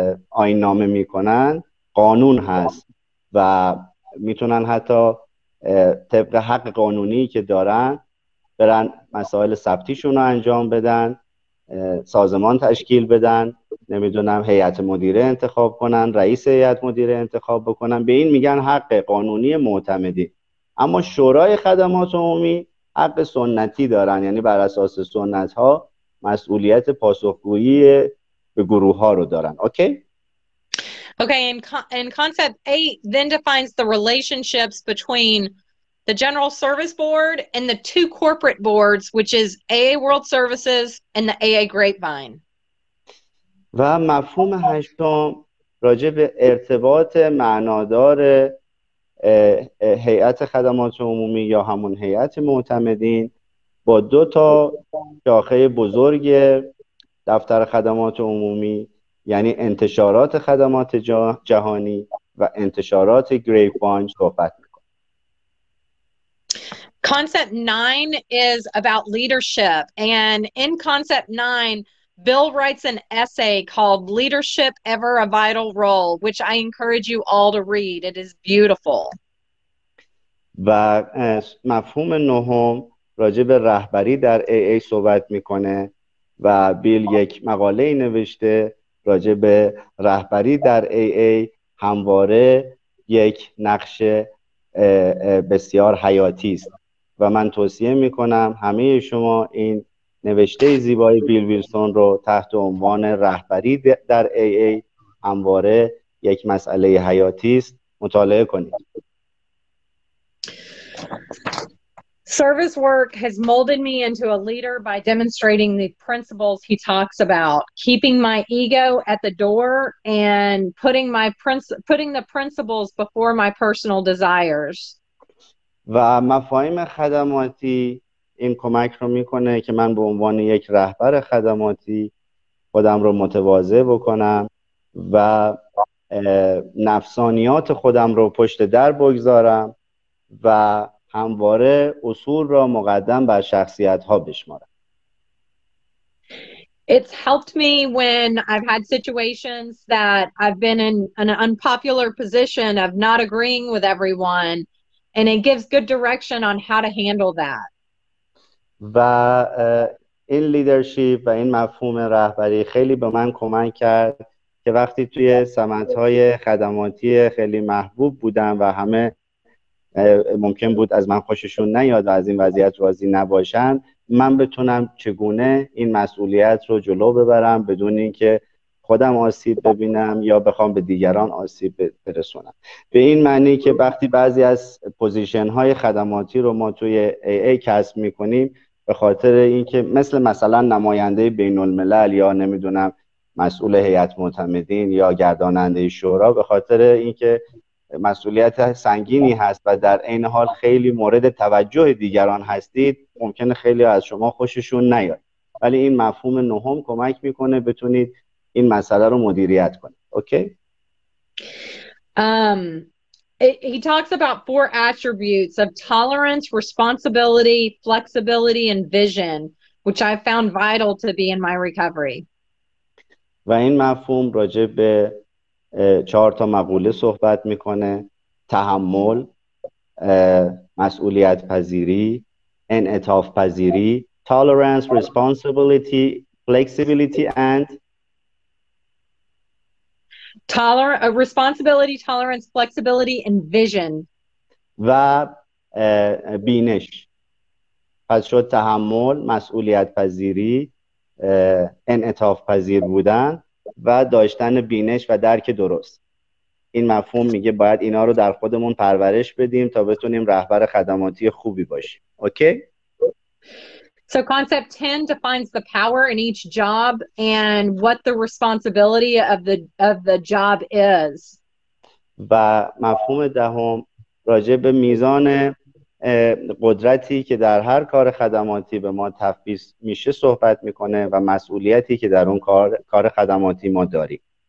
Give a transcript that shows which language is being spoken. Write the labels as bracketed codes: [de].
[fa] آیین نامه می کنند قانون هست و می تونن حتی طبق حق قانونی که دارن برن مسائل ثبتیشون رو انجام بدن، سازمان تشکیل بدن، نمیدونم هیئت مدیره انتخاب کنن، رئیس هیئت مدیره انتخاب بکنن، به این میگن حق قانونی معتمدی. اما شورای خدمات عمومی حق سنتی دارن، یعنی بر اساس سنت ها مسئولیت پاسخگویی به گروه ها رو دارن. اوکی؟ [en] Okay, and concept 8 then defines the relationships between the General Service Board and the two corporate boards, which is AA World Services and the AA Grapevine. [fa] و مفهوم هشتم راجع به ارتباط معنادار هیئت خدمات عمومی یا همون هیئت معتمدین با دو تا شاخه بزرگ دفتر خدمات عمومی، یعنی انتشارات خدمات جهانی و انتشارات گریپوان صحبت میکنه. [en] Concept 9 is about leadership, and in concept 9 Bill writes an essay called Leadership Ever a Vital Role, which I encourage you all to read. It is beautiful. [fa] و مفهوم نهم راجع به رهبری در AA صحبت میکنه و بیل یک مقاله نوشته راجع به رهبری در AA، همواره یک نقش بسیار حیاتی است و من توصیه میکنم همه شما این نوشته زیبای بیل ویلسون رو تحت عنوان رهبری در AA همواره یک مسئله حیاتی است مطالعه کنید. [en] Service work has molded me into a leader by demonstrating the principles he talks about, keeping my ego at the door and putting the principles before my personal desires. [fa] و مفاهیم خدماتی این کمک رو میکنه که من به عنوان یک رهبر خدماتی خودم رو متواضع بکنم و نفسانیات خودم رو پشت در بگذارم و همواره اصول را مقدم بر شخصیت ها بشمارم. [en] It's helped me when I've had situations that I've been in an unpopular position of not agreeing with everyone, and it gives good direction on how to handle that. [fa] و این لیدرشپ و این مفهوم رهبری خیلی به من کمک کرد که وقتی توی سمت‌های خدماتی خیلی محبوب بودم و همه ممکن بود از من خوششون نیاد و از این وضعیت راضی نباشن، من بتونم چگونه این مسئولیت رو جلو ببرم بدون اینکه خودم آسیب ببینم یا بخوام به دیگران آسیب برسونم. به این معنی که وقتی بعضی از پوزیشن‌های خدماتی رو ما توی AA کسب می‌کنیم، به خاطر اینکه مثلا نماینده بین‌الملل یا نمی‌دونم مسئول هیئت معتمدین یا گرداننده شورا، به خاطر اینکه مسئولیت سنگینی هست و در این حال خیلی مورد توجه دیگران هستید، ممکنه خیلی از شما خوششون نیاد، ولی این مفهوم نهم کمک میکنه بتونید این مسئله رو مدیریت کنید. اوکی. [en] He talks about four attributes of tolerance, responsibility, flexibility and vision, which I found vital to be in my recovery. [fa] و این مفهوم راجع به چهار تا مقوله صحبت میکنه: تحمل، مسئولیت پذیری، انعطاف پذیری، [en] tolerance, responsibility, flexibility and responsibility, tolerance, flexibility and vision. [fa] و بینش. پس شد تحمل، مسئولیت پذیری، انعطاف پذیر بودن و داشتن بینش و درک درست. این مفهوم میگه باید اینا رو در خودمون پرورش بدیم تا بتونیم رهبر خدماتی خوبی باشیم. اوکی؟ [en] So concept 10 defines the power in each job and what the responsibility of the job is. [fa] و مفهوم دهم راجع به میزان قدرتی که در هر کار خدماتی به ما تفویض میشه صحبت میکنه و مسئولیتی که در اون کار خدماتی ما داریم.